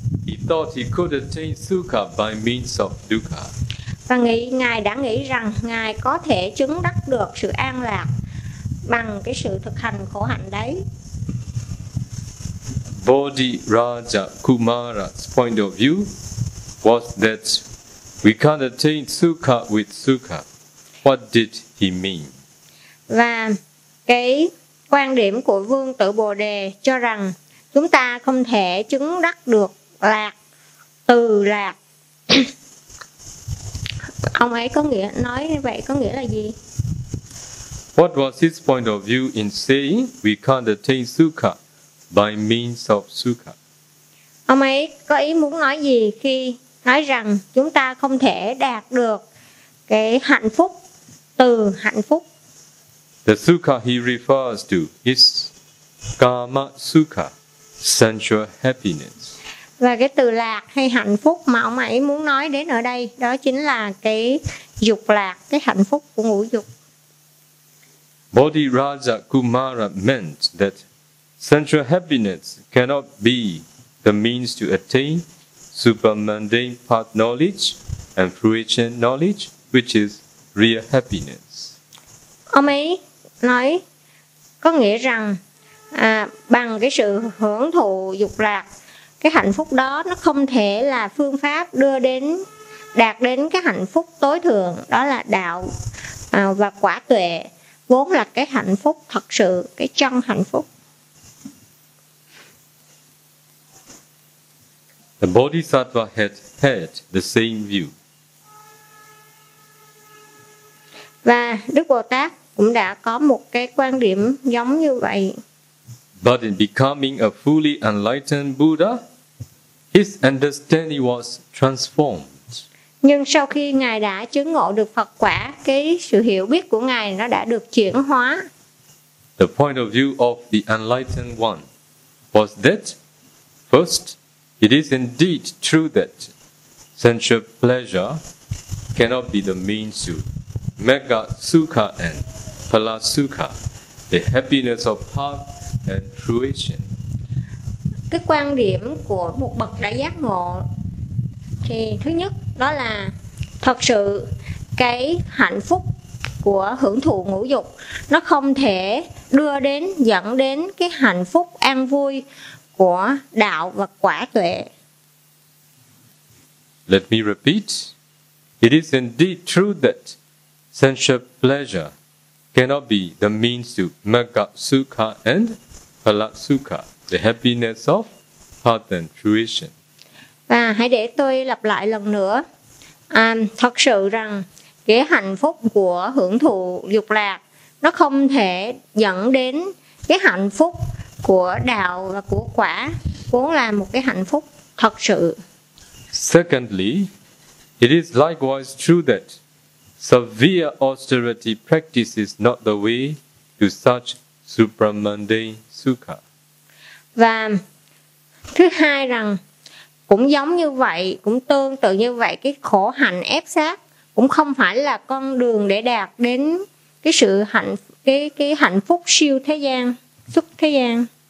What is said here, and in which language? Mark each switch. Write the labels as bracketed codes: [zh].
[en] He thought he could attain sukha by means of dukkha. [vi] Và ngài đã nghĩ rằng ngài có thể chứng đắc được sự an lạc bằng cái sự thực hành khổ hạnh đấy. [en] Bodhi Raja Kumara's point of view was that we can't attain sukha with sukha. What did he mean? [vi] Và cái quan điểm của Vương Tử Bồ Đề cho rằng chúng ta không thể chứng đắc được lạc từ lạc. Ông ấy có nghĩa nói như vậy có nghĩa là gì? [en] What was his point of view in saying we can't attain sukha by means of sukha? [vi] Ông ấy có ý muốn nói gì khi nói rằng chúng ta không thể đạt được cái hạnh phúc từ hạnh phúc? [en] The sukha he refers to is kama sukha, sensual happiness. [vi] Và cái từ lạc hay hạnh phúc mà ông ấy muốn nói đến ở đây đó chính là cái dục lạc, cái hạnh phúc của ngũ dục. [en] Bodhi Raja Kumara meant that sensual happiness cannot be the means to attain supermundane path knowledge and fruition knowledge, which is real happiness. [vi] Ông ấy nói có nghĩa rằng bằng cái sự hưởng thụ dục lạc, cái hạnh phúc đó nó không thể là phương pháp đưa đến đạt đến cái hạnh phúc tối thượng, đó là đạo và quả tuệ, vốn là cái hạnh phúc thật sự, cái chân hạnh phúc. [en] The Bodhisattva had the same view. [vi] Và Đức Bồ Tát cũng đã có một cái quan điểm giống như vậy. [en] But in becoming a fully enlightened Buddha, his understanding was transformed. [vi] Nhưng sau khi ngài đã chứng ngộ được Phật quả, cái sự hiểu biết của ngài nó đã được chuyển hóa. [en] The point of view of the enlightened one was that first, it is indeed true that sensual pleasure cannot be the means to mega sukha and pala sukha, the happiness of path and fruition. [vi] Cái quan điểm của một bậc đã giác ngộ thì thứ nhất đó là thật sự cái hạnh phúc của hưởng thụ ngũ dục nó không thể đưa đến dẫn đến cái hạnh phúc an vui của đạo và quả tuệ. [en] Let me repeat. It is indeed true that sensual pleasure cannot be the means to mega sukha and pala sukha, the happiness of path and fruition. [vi] Và hãy để tôi lặp lại lần nữa. Thật sự rằng cái hạnh phúc của hưởng thụ dục lạc nó không thể dẫn đến cái hạnh phúc của đạo và của quả, vốn là một cái hạnh phúc thật sự. [en] Secondly, it is likewise true that severe austerity practice is not the way to such supramundane sukha. [vi] Và thứ hai rằng cũng giống như vậy, cũng tương tự như vậy, cái khổ hạnh ép sát cũng không phải là con đường để đạt đến cái sự hạnh, cái hạnh phúc siêu thế gian, xuất thế gian.